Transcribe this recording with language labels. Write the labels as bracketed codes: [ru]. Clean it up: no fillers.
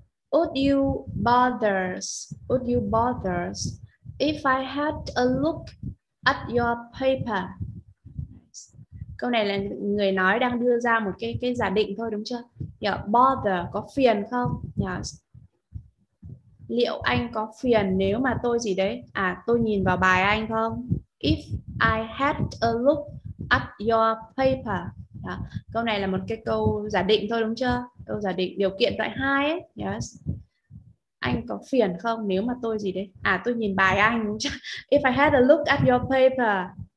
[en] Would you bother if I had a look at your paper? [vi] Câu này là người nói đang đưa ra một cái giả định thôi, đúng chưa? Yeah, bother, có phiền không? Yes. Liệu anh có phiền nếu mà tôi gì đấy? À, tôi nhìn vào bài anh không? [en] If I had a look at your paper. Yeah. [vi] Câu này là một cái câu giả định thôi, đúng chưa? Câu giả định điều kiện loại 2 ấy. Yes. Anh có phiền không nếu mà tôi gì đấy? À, tôi nhìn bài anh, đúng chưa? [en] If I had a look at your paper.